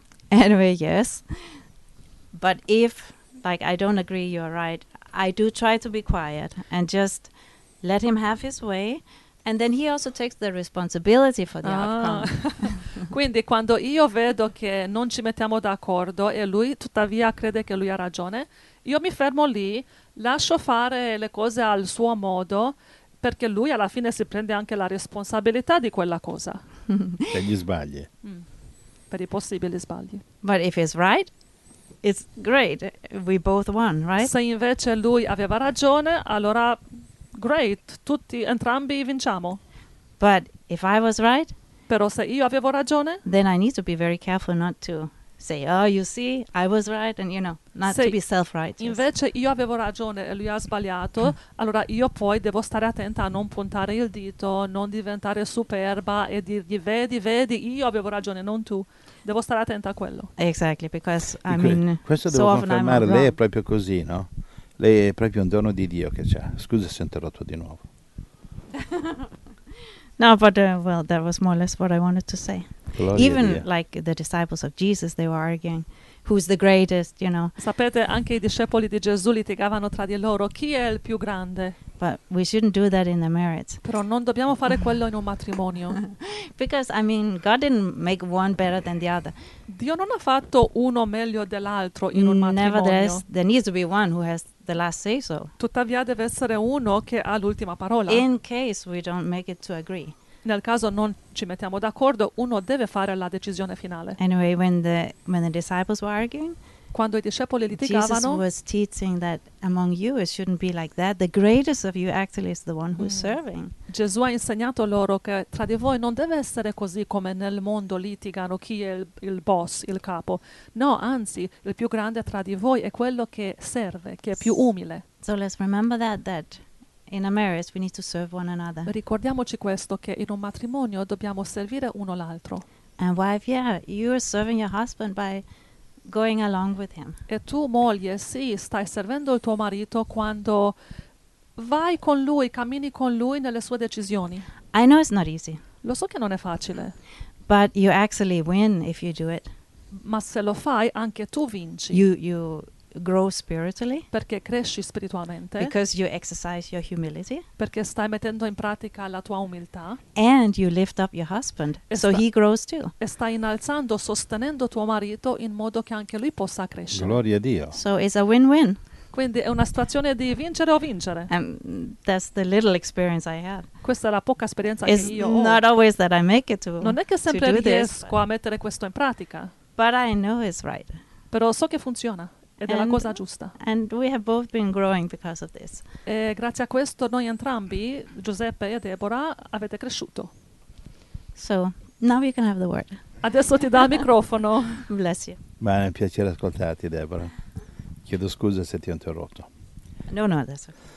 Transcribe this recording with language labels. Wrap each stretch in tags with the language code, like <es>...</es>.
<en>Anyway, yes, but if, like, I don't agree you're right, I do try to be quiet and just let him have his way, and then he also takes the responsibility for the outcome.</en> <it>Quindi quando io vedo che non ci mettiamo d'accordo e lui tuttavia crede che lui ha ragione, io mi fermo lì, lascio fare le cose al suo modo, perché lui alla fine si prende anche la responsabilità di quella cosa. Se gli sbagli. I possibili sbagli.</it> <en>But if he's right, it's great. We both won, right?</en> <it>Se invece lui aveva ragione, allora great, tutti entrambi vinciamo.</it> <en>But if I was right,</en> <it>però se io avevo ragione,</it> <en>then I need to be very careful not to say, oh, you see, I was right, and you know, not to be self-righteous.</en> <it>Invece io avevo ragione e lui ha sbagliato, allora io poi devo stare attenta a non puntare il dito, non diventare superba e dirgli, vedi, io avevo ragione, non tu. Devo stare attenta a quello.</it> <en>Exactly, because,</en> <it>questo devo confermare, lei è proprio così, no? Lei è proprio un dono di Dio che c'ha. Scusa se ho interrotto di nuovo.</it> <en>No, but well, that was more or less what I wanted to say.</en> <it>Gloria,</it> <en>even yeah. like the disciples of Jesus, they were arguing, who's the greatest, you know.</en> <it>Sapete, anche i discepoli di Gesù litigavano tra di loro, chi è il più grande?</it> <en>But we shouldn't do that in the marriage.</en> <it>Però non dobbiamo fare quello in un matrimonio.</it> <en>Because, I mean, God didn't make one better than the other.</en> <it>Dio non ha fatto uno meglio dell'altro in un matrimonio.</it> <en>Nevertheless, there needs to be one who has the last say so.</en> <it>Tuttavia deve essere uno che ha l'ultima parola.</it> <en>In case we don't make it to agree.</en> <it>Nel caso non ci mettiamo d'accordo, uno deve fare la decisione finale.</it> <en>Anyway, when the disciples were arguing,</en> <it>quando i discepoli litigavano,</it> <en>Jesus was teaching that among you it shouldn't be like that. The greatest of you actually is the one who's serving.</en> <it>Gesù ha insegnato loro che tra di voi non deve essere così come nel mondo litigano chi è il boss, il capo. No, anzi, il più grande tra di voi è quello che serve, che è più umile.</it> <en>So let's remember that. In a marriage, we need to serve one another.</en> <it>Ricordiamoci questo, che in un matrimonio dobbiamo servire uno l'altro.</it> <en>And wife, yeah, you are serving your husband by going along with him.</en> <it>E tu, moglie, sì, stai servendo il tuo marito quando vai con lui, cammini con lui nelle sue decisioni.</it> <en>I know it's not easy.</en> <it>Lo so che non è facile.</it> <en>But you actually win if you do it.</en> <it>Ma se lo fai, anche tu vinci.</it> <en>You grow spiritually,</en> <it>perché cresci spiritualmente,</it> <en>because you exercise your humility,</en> <it>perché stai mettendo in pratica la tua umiltà,</it> <en>and you lift up your husband, so he grows too,</en> <it>e stai innalzando, sostenendo tuo marito in modo che anche lui possa crescere. Gloria a Dio.</it> <en>So it's a win-win.</en> <it>Quindi è una situazione di vincere o vincere.</it> <en>That's the little experience I have.</en> <it>Questa è la poca esperienza</it> <en>it's</en> <it>che io ho.</it> <en>Not always that I make it to,</en> <it>non è che sempre riesco</it> <en>this,</en> <it>a mettere questo in pratica,</it> <en>but I know it's right.</en> <it>Però so che funziona. Ed è la cosa giusta.</it> <en>And we have both been growing because of this.</en> <it>E grazie a questo noi entrambi, Giuseppe e Deborah, avete cresciuto.</it> <en>So, now you can have the word.</en> <it>Adesso ti do il microfono.</it> <en>Bless you.</en> <it>Ma è un piacere ascoltarti, Deborah. Chiedo scusa se ti ho interrotto. No, adesso.</it>